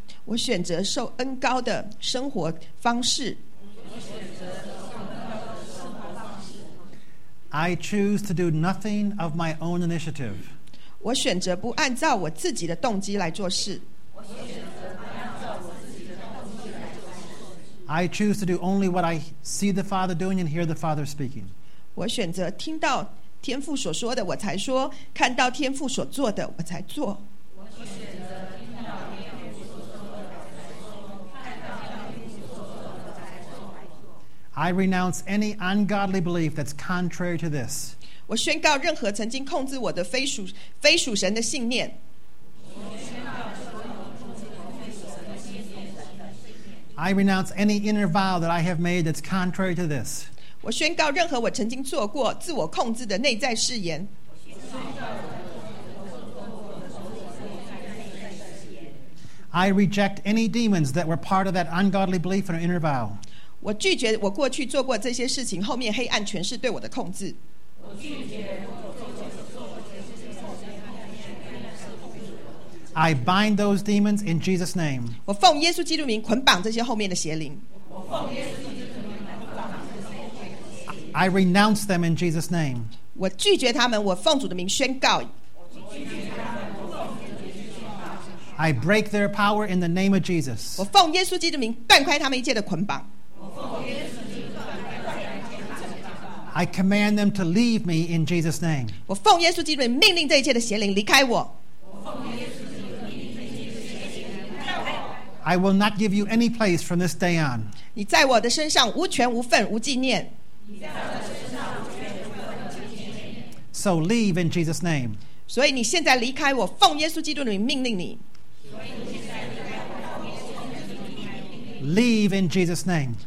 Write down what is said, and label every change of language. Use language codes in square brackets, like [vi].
[zh] 我选择受恩膏的生活方式。 [en] I choose to do nothing of my own initiative. [zh] 我选择不按照我自己的动机来做事。 [en] I choose to do only what I see the Father doing and hear the Father speaking. [zh] 我选择听到天父所说的我才说，看到天父所做的我才做。 [en] I renounce any ungodly belief that's contrary to this. [zh] 我宣告任何曾经控制我的非属神的信念。 [en] I renounce any inner vow that I have made that's contrary to this. [zh] 我宣告任何我曾经做过自我控制的内在誓言。 [en] I reject any demons that were part of that ungodly belief and inner vow. [zh] 我拒绝我过去做过这些事情后面黑暗权势对我的控制。我拒绝我过去做过这些事情后面黑暗权势对我的控制。 [en] I bind those demons in Jesus' name. [zh] 我奉耶稣基督名捆绑这些后面的邪灵。 [en] I renounce them in Jesus' name. [zh] 我拒绝他们，我奉主的名宣告。 [en] I break their power in the name of Jesus. [zh] 我奉耶稣基督名断开他们一切的捆绑。 [en] I command them to leave me in Jesus' name. [zh] 我奉耶稣基督名命令这一切的邪灵离开我。 [en] I will not give you any place from this day on. [zh] 你在我的身上无权无份无纪念。 [en] So leave in Jesus' name. [zh] 所以你现在离开我，奉耶稣基督的名命令你。 [en] Leave in Jesus' name.